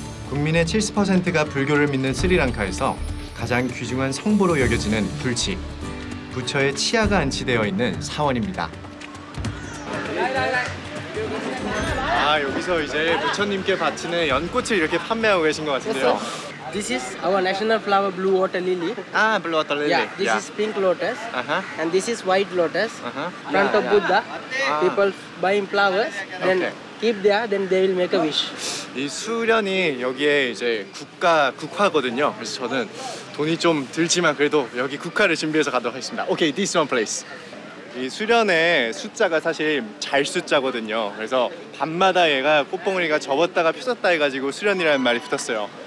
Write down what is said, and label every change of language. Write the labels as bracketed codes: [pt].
[ko] 국민의 70%가 불교를 믿는 스리랑카에서 가장 귀중한 성보로 여겨지는 불치. 부처의 치아가 안치되어 있는 사원입니다. 아 여기서 이제 부처님께 바치는 연꽃을 이렇게 판매하고 계신 것 같은데요. [en] This is our national flower, blue water lily. Ah, blue water lily. Yeah, this is pink lotus. Uh-huh. And this is white lotus. Uh-huh. Front of Buddha. People buying flowers, then keep there, then they will make a wish. [ko] 이 수련이 여기에 이제 국가 국화거든요. 그래서 저는 돈이 좀 들지만 그래도 여기 국화를 준비해서 가도록 하겠습니다. [en] Okay, this one place. [ko] 이 수련의 숫자가 사실 잘 숫자거든요. 그래서 밤마다 얘가 꽃봉오리가 접었다가 펴졌다 해가지고 수련이라는 말이 붙었어요.